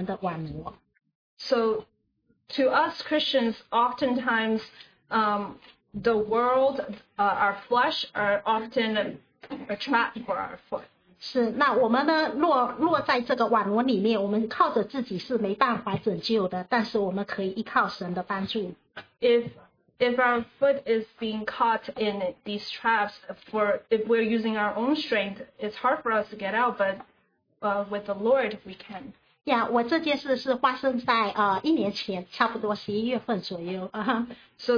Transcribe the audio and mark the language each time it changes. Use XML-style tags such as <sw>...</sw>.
<zh>我们感谢主，就说对我们基督徒来讲，我想就说，许多时候这个世界仇敌还有肉体，经常就是我们的网罗。</zh> <en>So to us Christians, oftentimes the world, our flesh are often a trap for our foot.</en> <zh>是，那我们呢，落在这个网罗里面，我们靠着自己是没办法拯救的，但是我们可以依靠神的帮助。</zh> <en>If our foot is being caught in these traps, if we're using our own strength, it's hard for us to get out, but with the Lord, we can.</en> <zh>我这件事是发生在一年前，差不多11月份左右。</zh> <en>So</en>